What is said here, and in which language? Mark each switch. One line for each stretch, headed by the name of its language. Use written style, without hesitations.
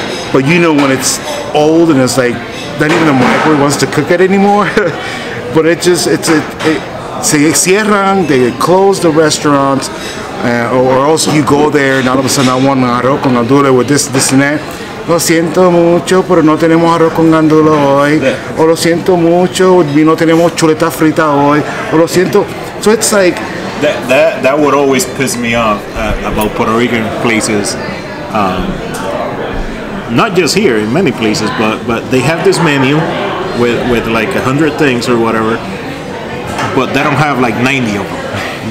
English: But you know when it's old and it's like, not even the microwave wants to cook it anymore. But it just, they close the restaurants. Or else you go there, and all of a sudden I want an arroz con gandules with this and that.
Spanish: Lo siento mucho, pero no tenemos arroz con gandula hoy. Yeah. O lo siento mucho, no tenemos chuleta frita hoy. O lo siento.
English: So it's like that would always piss me off about Puerto Rican places. Not just here, in many places, but they have this menu with like 100 things or whatever, but they don't have like 90 of them.